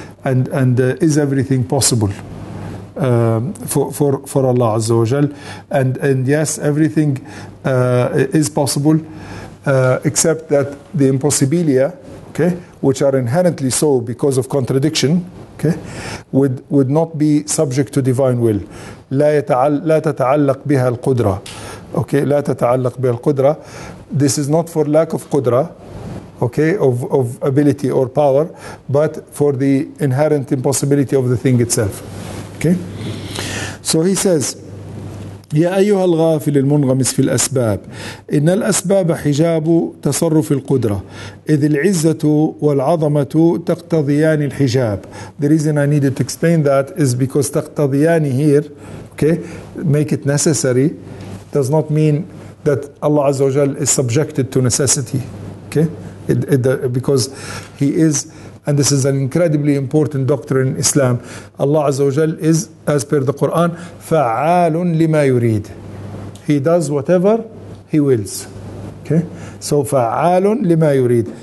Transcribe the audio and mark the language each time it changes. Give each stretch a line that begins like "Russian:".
English: And is everything possible for Allah Azza wa Jal? And yes, everything is possible, except that the impossibilia, okay, which are inherently so because of contradiction, okay, would not be subject to divine will.
Arabic: لا تتعلق بها القدرة. Okay, لا تتعلق بها القدرة.
English: This is not for lack of قدرة, okay, of ability or power, but for the inherent impossibility of the thing itself. Okay, so he says,
Arabic: يا أيها الغافل المنغمس في الأسباب إن الأسباب حجاب تصرف القدرة إذ العزة والعظمة تقتضيان الحجاب.
English: The reason I needed to explain that is because تقتضيان here, okay, make it necessary, does not mean that Allah عز وجل is subjected to necessity. Okay, because he is. And this is an incredibly important doctrine in Islam. Allah Azza wa Jal is, as per the Quran,
Arabic: فَعَالٌ لِمَا يُرِيدٌ.
English: He does whatever he wills. Okay?
Arabic: So, فَعَالٌ لِمَا يُرِيدٌ.